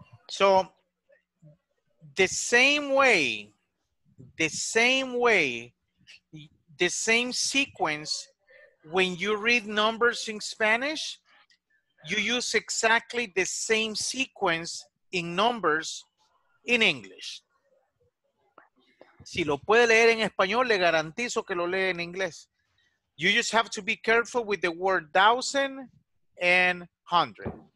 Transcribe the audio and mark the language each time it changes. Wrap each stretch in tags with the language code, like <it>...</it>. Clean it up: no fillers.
<en>So, the same way, the same sequence, when you read numbers in Spanish, you use exactly the same sequence in numbers in English.</en> <es>Si lo puede leer en español, le garantizo que lo lee en inglés.</es> <en>You just have to be careful with the word thousand and hundred.</en>